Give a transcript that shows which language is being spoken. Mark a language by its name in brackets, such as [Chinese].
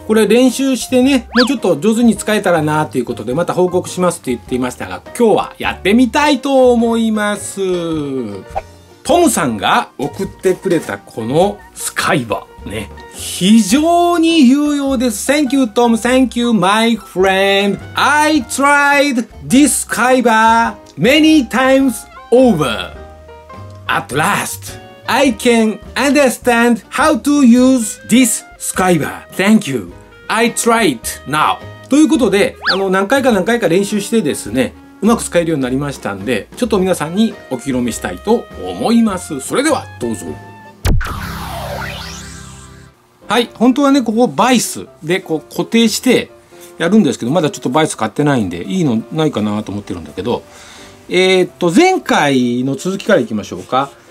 [Japanese] これ練習してね、もうちょっと上手に使えたらなということでまた報告しますって言っていましたが、今日はやってみたいと思います。トムさんが送ってくれたこのスカイバーね、非常に有用です。 [English] Thank you Tom, Thank you my friend. I tried this Skyber many times over. At last, I can understand how to use this Skyber. Thank you. I try it now. [Japanese] ということで、何回か何回か練習してですね、うまく使えるようになりましたんで、ちょっと皆さんにお披露目したいと思います。それではどうぞ。はい、本当はね、ここバイスでこう固定してやるんですけど、まだちょっとバイス買ってないんでいいのないかなと思ってるんだけど、前回の続きからいきましょうか。